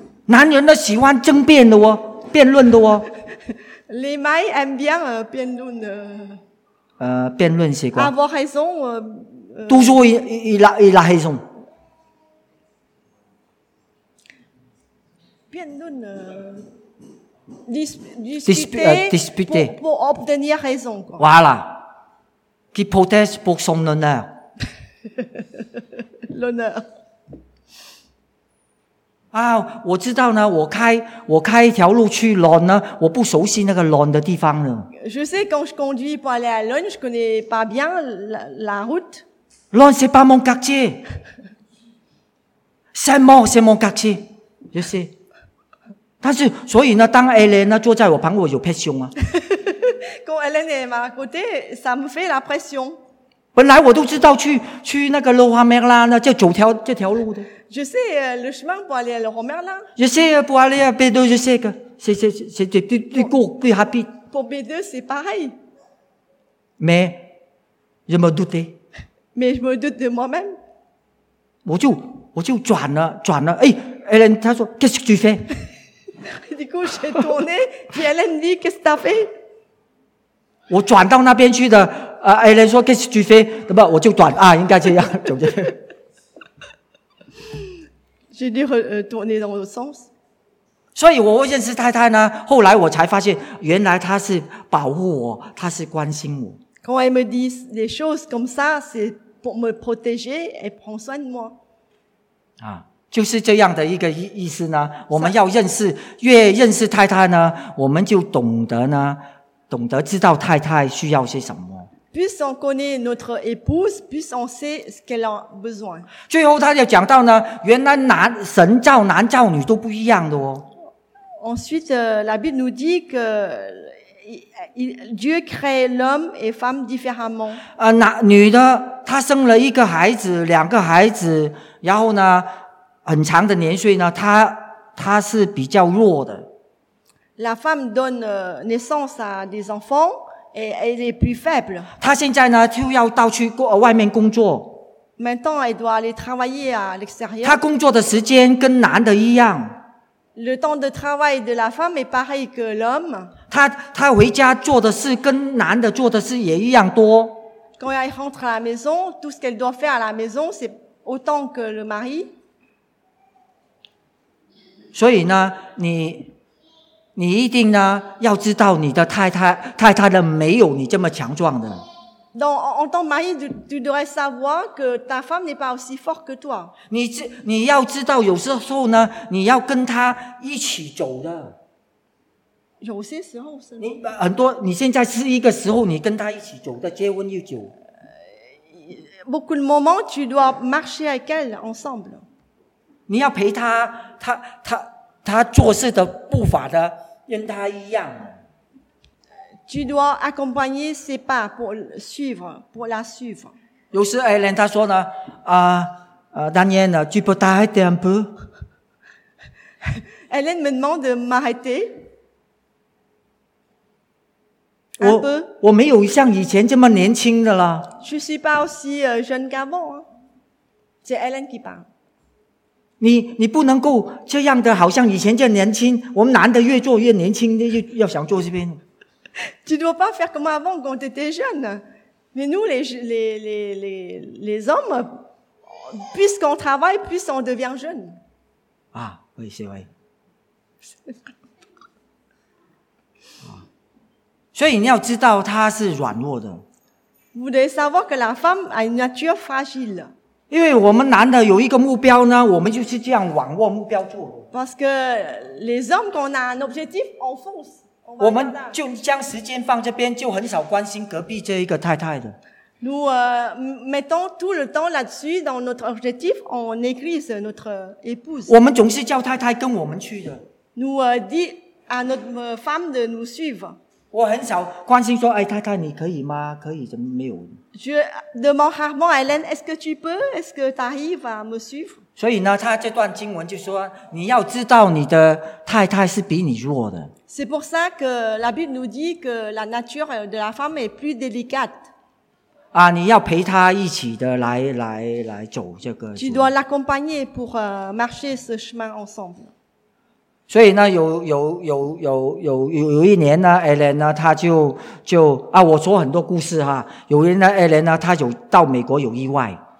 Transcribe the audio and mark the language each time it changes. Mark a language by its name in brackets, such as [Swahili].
[Chinese] 男人呢喜欢争辩的哦，辩论的哦。 [French] Les mari aiment bien bien [Chinese] 辩论习惯。 [French] Avoir raison, toujours il a raison. 辩论disputer pour obtenir raison. Voilà. Qui proteste pour son honneur. L'honneur. [Chinese] 啊，我知道呢，我开一条路去 Lon 呢，我不熟悉那个 Lon 的地方呢。 [French] Je sais quand je conduis pour aller à Lon, je connais pas bien la route. Lon, c'est pas mon quartier. Saint-Maur, c'est mon quartier. Je sais. [Chinese] 但是，所以呢，当 Ellen 呢坐在我旁边，我有 pression 啊。 [French] Quand Ellen est à côté, ça me fait la pression. [Chinese] 本来我都知道去那个罗华梅拉呢，这条路的。 [French] Je sais le chemin pour aller à la Romerla. Je sais pour aller à Bédo, je sais que c'est plus court, plus rapide. Pour Bédo, c'est pareil. Mais je me doutais. Mais je me doute de moi-même. [Chinese] 我就转了。哎 ，Ellen， 她说 ， [French] Qu'est-ce que tu fais？ Du coup, j'ai tourné. Puis Ellen dit, qu'est-ce que t'as fait？ [Chinese] 我转到那边去的。Ellen 说 ， [French] Qu'est-ce que tu fais？ [Chinese] 那么我就转啊，应该这样，就这样。 [French] J'ai dû retourner dans le sens. [Chinese] 所以我认识太太呢，后来我才发现，原来她是保护我，她是关心我。 [French] Quand elle me dit des choses comme ça, c'est pour me protéger et prendre soin de moi. [Chinese] 啊，就是这样的一个意思呢。我们要认识，越认识太太呢，我们就懂得知道太太需要些什么。 [French] Plus on connaît notre épouse, plus on sait ce qu'elle a besoin. [Chinese] 最后他就讲到呢，原来神造男造女都不一样的哦。 [French] Ensuite, la Bible nous dit que Dieu crée l'homme et femme différemment. [Chinese] 女的她生了一个孩子，两个孩子，然后呢，很长的年岁呢，她是比较弱的。 [French] La femme donne naissance à des enfants. Elle est plus faible. [Chinese] 她现在呢就要到去外面工作。 [French] Maintenant, elle doit aller travailler à l'extérieur. [Chinese] 她工作的时间跟男的一样。 [French] Le temps de travail de la femme est pareil que l'homme. [Chinese] 她回家做的事跟男的做的事也一样多。 [French] Quand elle rentre à la maison, tout ce qu'elle doit faire à la maison, c'est autant que le mari. [Chinese] 所以呢，你一定呢要知道你的太太的没有你这么强壮的。 [French] Donc, en tant que mari, tu devrais savoir que ta femme n'est pas aussi forte que toi. [Chinese] 你要知道有时候呢你要跟她一起走的。有些时候是你很多，你现在是一个时候，你跟他一起走的结婚又久。 [French] Beaucoup de moments, tu dois marcher avec elle ensemble. [Chinese] 你要陪他，他做事的步伐的跟他一样。 [French] Tu dois accompagner ses pas pour suivre, pour la suivre. [Chinese] 有时艾莲他说呢，Daniel, [French] tu peux t'arrêter un peu? Ellen me demande de m'arrêter. Un peu. [Chinese] 我没有像以前这么年轻的了。 [French] Je suis pas aussi jeune qu'avant. C'est Ellen qui parle. [Chinese] 你不能够这样的，好像以前这么年轻。我们男的越做越年轻，要想做这边。 [French] Tu dois pas faire comme avant quand tu étais jeune. Mais nous, les hommes, plus qu'on travaille, plus on devient jeune. Ah, oui, c'est vrai. [Chinese] 所以你要知道她是软弱的。 [French] Vous devez savoir que la femme a une nature fragile. [Chinese] 因为我们男的有一个目标呢，我们就是这样往我目标做。 [French] Parce que les hommes, quand on a un objectif, on fonce. [Chinese] 我们就将时间放这边，就很少关心隔壁这一个太太的。 [French] Nous mettons tout le temps là-dessus dans notre objectif, on néglige notre épouse. [Chinese] 我们总是叫太太跟我们去的。 [French] Nous dit à notre femme de nous suivre. [Chinese] 我很少关心说，哎，太太你可以吗？可以怎么没有 [French] ？Je demande rarement à Hélène, est-ce que tu peux? Est-ce que tu arrives à me suivre? [Chinese] 所以呢，他这段经文就说，你要知道你的太太是比你弱的。 [French] C'est pour ça que la Bible nous dit que la nature de la femme est plus délicate. [Chinese] 啊，你要陪她一起的来走这个。 [French] Tu dois l'accompagner pour marcher ce chemin ensemble. [Chinese] 所以呢，有一年呢 ，Ellen 呢，她就啊，我说很多故事哈。有人呢 ，Ellen 呢，她有到美国有意外。